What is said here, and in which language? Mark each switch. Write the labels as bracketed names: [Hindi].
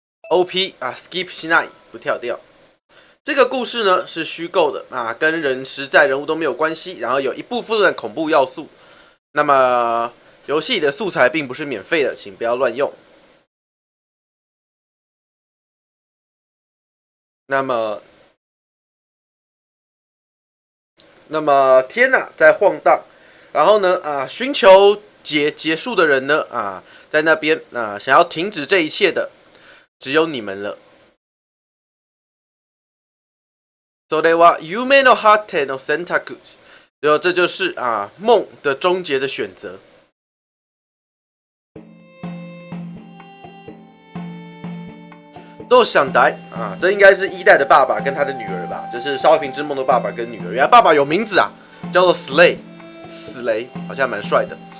[Chinese] OP 啊 ，skip しない不跳掉。这个故事呢是虚构的啊，跟人实在人物都没有关系，然后有一部分的恐怖要素。那么游戏里的素材并不是免费的，请不要乱用。那么天哪，在晃荡。然后呢啊，寻求结束的人呢啊，在那边啊，想要停止这一切的只有你们了。 [Japanese] それは夢の果ての選択。 [Chinese] 这就是啊梦的终结的选择。都想呆啊，这应该是一代的爸爸跟他的女儿吧，就是烧瓶之梦的爸爸跟女儿。原来爸爸有名字啊，叫做死雷，好像蛮帅的。